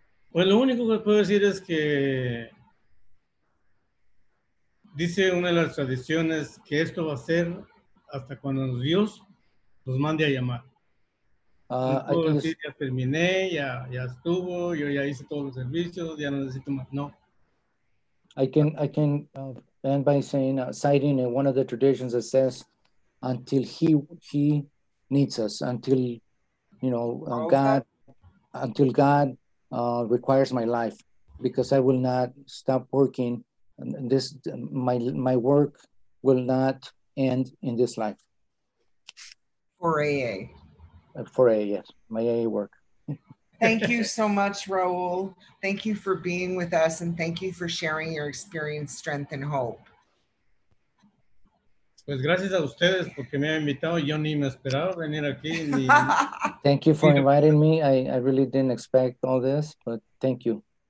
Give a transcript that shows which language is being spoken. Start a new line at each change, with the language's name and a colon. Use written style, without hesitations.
Spanish: Pues lo único que puedo decir es que dice una de las tradiciones que esto va a ser hasta cuando Dios nos mande a llamar. Decir, ya terminé, ya estuvo, yo ya hice todos los servicios, ya no necesito más. No.
English: I can end by saying, citing in one of the traditions that says, until he needs us, until, you know, God, until God requires my life, because I will not stop working. And this my work will not end in this life. For AA. For AA, yes. My AA work. Thank you so much, Raul. Thank you for being with us, and thank you for sharing your experience, strength, and hope.
Spanish: Pues gracias a ustedes porque me han invitado. Yo ni me esperaba venir aquí.
English: Thank you for inviting me. I really didn't expect all this, but thank you.